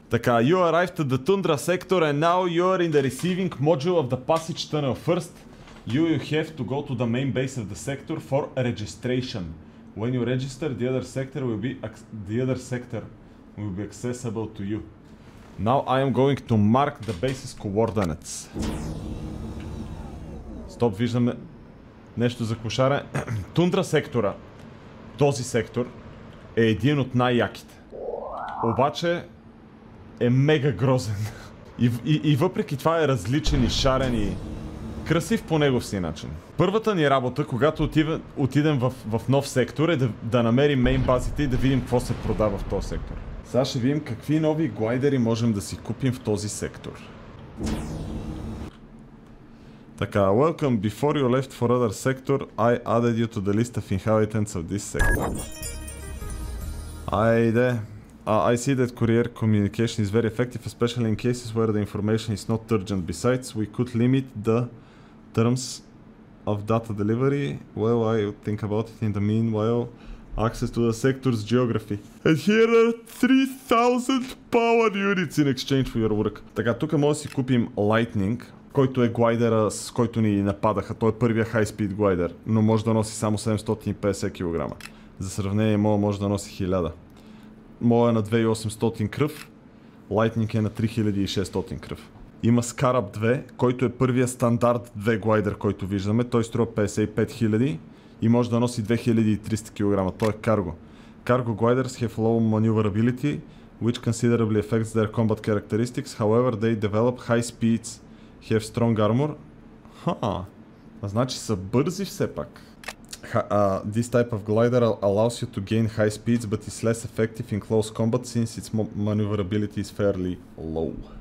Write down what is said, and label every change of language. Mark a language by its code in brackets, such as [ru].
[en] Така, you arrived at the Tundra sector and now you are in the receiving module of the passage tunnel. First, you have to go to the main base of the sector for registration. When you register, the other sector will be accessible to you. Now I am going to mark the base's coordinates. [bg] Стоп, виждаме нещо за клошара. Тундра сектора, този сектор, е един от най-яките. Обаче е мега грозен. И въпреки това е различен и шарен и красив по негов си начин. Първата ни работа, когато отидем в нов сектор, е да намерим мейн базите и да видим какво се продава в този сектор. Сега ще видим какви нови глайдери можем да си купим в този сектор. [en] Така, welcome, before you left for other sector, I added you to the list of inhabitants of this sector. [bg] Айде. [en] I see that courier communication is very effective, especially in cases where the information is not urgent. Besides, we could limit the terms of data delivery. Well, I think about it in the meanwhile. Access to the sector's geography. And here are 3000 power units in exchange for your work. [bg] Така, тук може да си купим Lightning, който е глайдера, с който ни нападаха. Той е първия high speed глайдер, но може да носи само 750 кг. За сравнение, моя може да носи 1000. Моя е на 2800 кръв, Lightning е на 3600 кръв. Има Scarab 2, който е първия стандарт 2 глайдер, който виждаме. Той струва 55 000 и може да носи 2300 кг. Той е карго. [en] Cargo gliders have low maneuverability, which considerably affects their combat characteristics. However, they develop high speeds, have strong armor. [bg] Ха, значи са бързи все пак. [en] This type of glider allows you to gain high speeds, but is less effective in close combat since its maneuverability is fairly low.